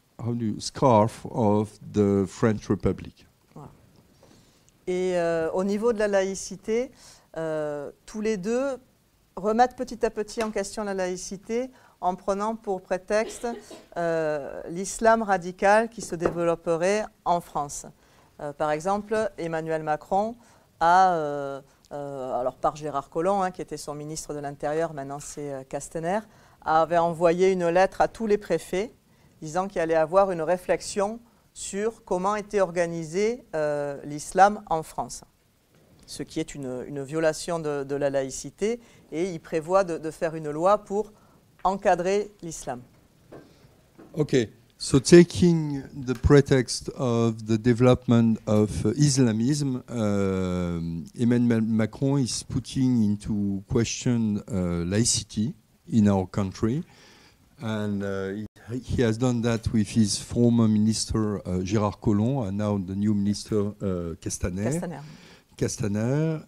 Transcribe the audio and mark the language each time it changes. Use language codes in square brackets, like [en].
[en] How do you, scarf of the French Republic. [fr] Voilà. Et au niveau de la laïcité, tous les deux remettent petit à petit en question la laïcité en prenant pour prétexte l'islam radical qui se développerait en France. Par exemple, Emmanuel Macron a, alors par Gérard Collomb, hein, qui était son ministre de l'Intérieur, maintenant c'est Castaner, avait envoyé une lettre à tous les préfets disant qu'il allait avoir une réflexion sur comment était organisé l'islam en France, ce qui est une violation de la laïcité, et il prévoit de faire une loi pour encadrer l'islam. [en] Ok, so taking the pretext of the development of Islamism, Emmanuel Macron is putting into question laïcité in our country, and he has done that with his former minister Gérard Collomb, and now the new minister Castaner.